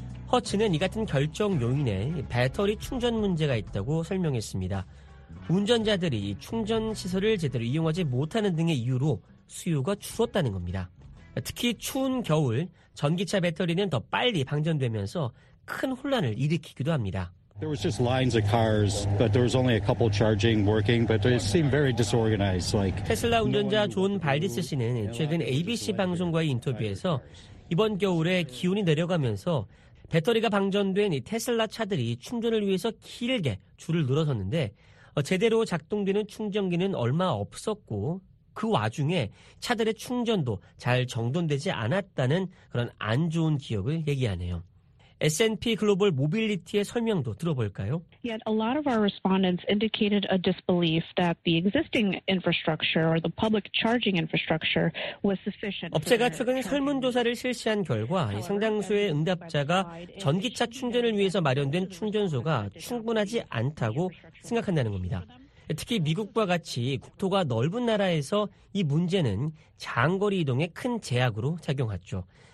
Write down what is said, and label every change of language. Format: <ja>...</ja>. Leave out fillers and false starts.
<ko>허츠는 이 같은 결정 요인에 배터리 충전 문제가 있다고 설명했습니다. 운전자들이 충전 시설을 제대로 이용하지 못하는 등의 이유로 수요가 줄었다는 겁니다. 특히 추운 겨울 전기차 배터리는 더 빨리 방전되면서 큰 혼란을 일으키기도 합니다.</ko> <en>There was just lines of cars, but there was only a couple charging working, but it seemed very disorganized. Like</en> <ko>테슬라 운전자 존 발디스 씨는 최근 ABC 방송과의 인터뷰에서 이번 겨울에 기온이 내려가면서 배터리가 방전된 이 테슬라 차들이 충전을 위해서 길게 줄을 늘어섰는데 제대로 작동되는 충전기는 얼마 없었고 그 와중에 차들의 충전도 잘 정돈되지 않았다는 그런 안 좋은 기억을 얘기하네요. S&P 글로벌 모빌리티의 설명도 들어볼까요?</ko> <en>Yet a lot of our respondents indicated a disbelief that the existing infrastructure or the public charging infrastructure was sufficient.</en> <ko>업체가 최근 설문조사를 실시한 결과 상당수의 응답자가 전기차 충전을 위해서 마련된 충전소가 충분하지 않다고 생각한다는 겁니다. 특히 미국과 같이 국토가 넓은 나라에서 이 문제는 장거리 이동에 큰 제약으로 작용했죠.</ko>